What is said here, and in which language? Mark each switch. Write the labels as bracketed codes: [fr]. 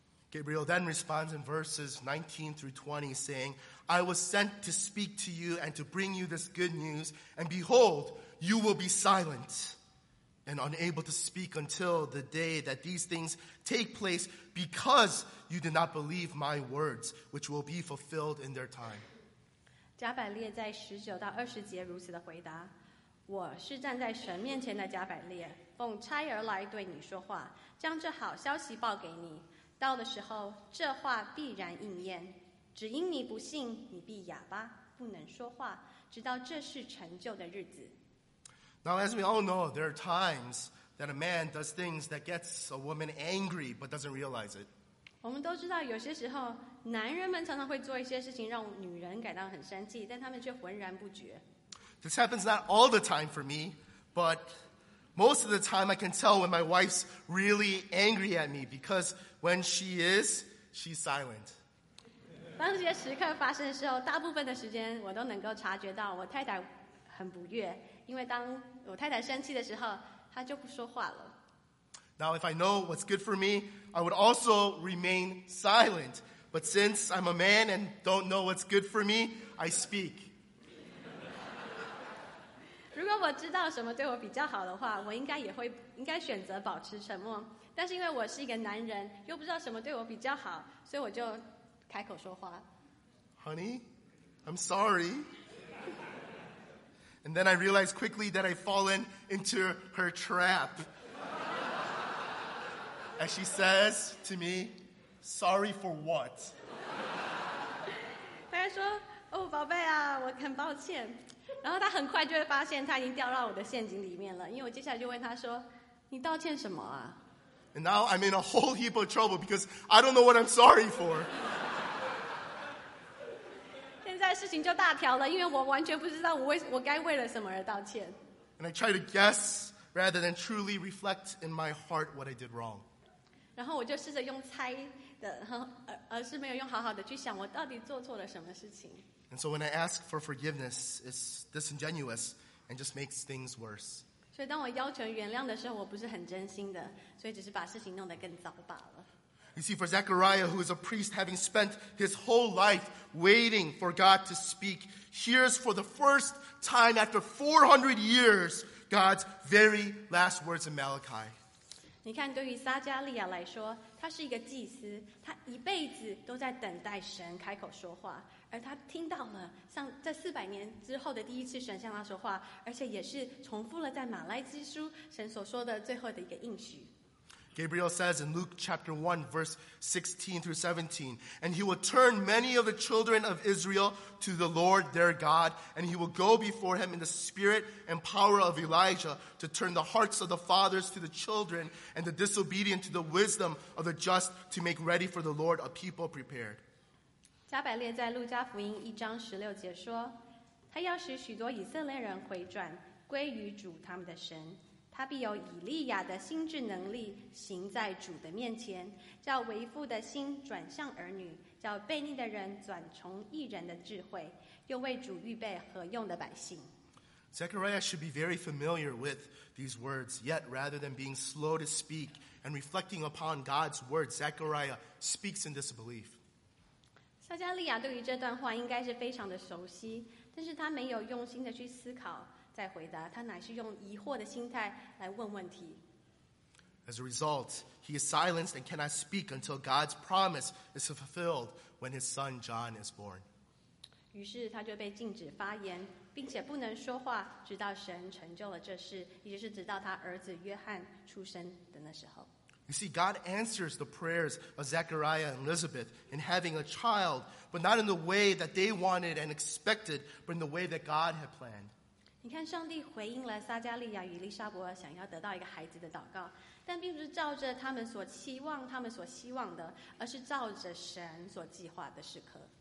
[en] Gabriel then responds in verses 19 through 20 saying, I was sent to speak to you and to bring you this good news, and behold, you will be silent and unable to speak until the day that these things take place because You did not believe my words, which will be fulfilled in their time. [zh] 加百列在十九到二十节如此的回答：我是站在神面前的加百列，奉差而来对你说话，将这好消息报给你。到的时候，这话必然应验。只因你不信，你必哑巴，不能说话，直到这事成就的日子。 [en] Now, as we all know, there are times that a man does things that gets a woman angry but doesn't realize it. [zh] 我们都知道有些时候男人们常常会做一些事情让女人感到很生气，但他们却浑然不觉。 [en] This happens not all the time for me, but most of the time I can tell when my wife's really angry at me because when she is, she's silent. [zh] 当这些时刻发生的时候，大部分的时间我都能够察觉到我太太很不悦，因为当我太太生气的时候，她就不说话了。 [en] Now, if I know what's good for me, I would also remain silent. But since I'm a man and don't know what's good for me, I speak. [zh] 如果我知道什么对我比较好的话，我应该选择保持沉默。但是因为我是一个男人，又不知道什么对我比较好，所以我就开口说话。 [en] Honey, I'm sorry. And then I realized quickly that I've fallen into her trap. As she says to me, sorry for what? [zh] 她说，哦，宝贝啊，我很抱歉。然后她很快就会发现她已经掉到我的陷阱里面了，因为我接下来就问她说，你道歉什么啊？ [en] And now I'm in a whole heap of trouble because I don't know what I'm sorry for. [zh] 现在事情就大条了，因为我完全不知道我该为了什么而道歉。 [en] And I try to guess rather than truly reflect in my heart what I did wrong. [zh] 然后我就试着用猜的，而是没有用好好的去想我到底做错了什么事情。 [en] And so when I ask for forgiveness, it's disingenuous and just makes things worse. [zh] 所以当我要求原谅的时候，我不是很真心的，所以只是把事情弄得更糟罢了。 [en] You see, for Zechariah, who is a priest, having spent his whole life waiting for God to speak, hears for the first time after 400 years God's very last words in Malachi. [zh] 你看，对于撒加利亚来说，他是一个祭司，他一辈子都在等待神开口说话。而他听到了像在400年之后的第一次神向他说话，而且也是重复了在马拉基书神所说的最后的一个应许。 [en] Gabriel says in Luke chapter 1 verse 16 through 17, and he will turn many of the children of Israel to the Lord their God, and he will go before him in the spirit and power of Elijah to turn the hearts of the fathers to the children and the disobedient to the wisdom of the just to make ready for the Lord a people prepared. [zh] 加百列在路加福音一章十六节说，他要使许多以色列人回转归于主他们的神，他必有以利亚的心智能力行在主的面前，叫为父的心转向儿女，叫悖逆的人转从义人的智慧，又为主预备何用的百姓。 [en] Zechariah should be very familiar with these words, yet rather than being slow to speak and reflecting upon God's word, Zechariah speaks in disbelief. [zh] 撒加利亚对于这段话应该是非常的熟悉，但是他没有用心的去思考再回答，他乃是用疑惑的心态来问问题。 [en] As a result, he is silenced and cannot speak until God's promise is fulfilled when his son John is born. [zh] 于是他就被禁止发言，并且不能说话，直到神成就了这事，也就是直到他儿子约翰出生的那时候。 [en] You see, God answers the prayers of Zechariah and Elizabeth in having a child, but not in the way that they wanted and expected, but in the way that God had planned. [zh] 你看，上帝回应了撒加利亚与丽莎伯想要得到一个孩子的祷告，但并不是照着他们所期望、他们所希望的，而是照着神所计划的时刻。